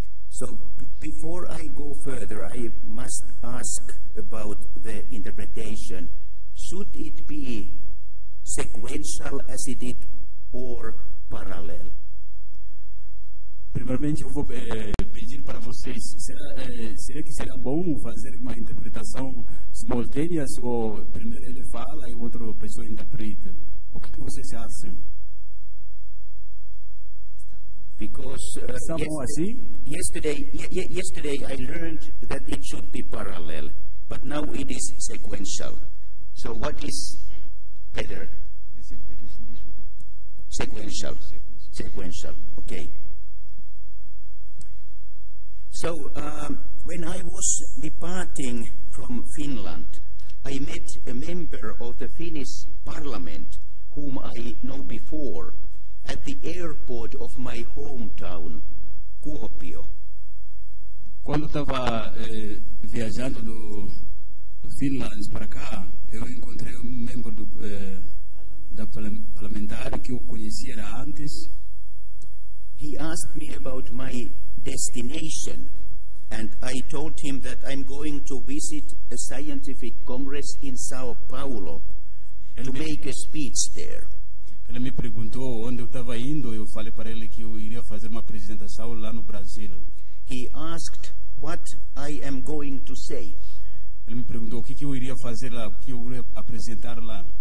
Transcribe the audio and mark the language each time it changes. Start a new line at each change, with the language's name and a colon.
English: So, before I go further, I must ask about the interpretation. Should it be sequential as it is, or parallel?
Portuguese: Primeiramente, eu vou pedir para vocês, será que será bom fazer uma interpretação simultânea, ou primeiro ele fala e outra pessoa interpreta? O que vocês acham?
English: Because yesterday I learned that it should be parallel, but now it is sequential. So what is better? Is it better in this way? Sequential. Sequential. Okay. So when I was departing from Finland, I met a member of the Finnish Parliament whom I know before, at the airport of my hometown, Kuopio.
Portuguese: Quando estava viajando do Finland para cá, eu encontrei membro da parlamentar que eu conhecia antes.
English: He asked me about my destination, and I told him that I'm going to visit a scientific congress in São Paulo to make a speech there.
Portuguese: Ele me perguntou onde eu estava indo. Eu falei para ele que eu iria fazer uma apresentação lá no Brasil.
English: He asked what I am going to say.
Portuguese: Ele me perguntou o que eu iria fazer lá, o que eu iria apresentar lá.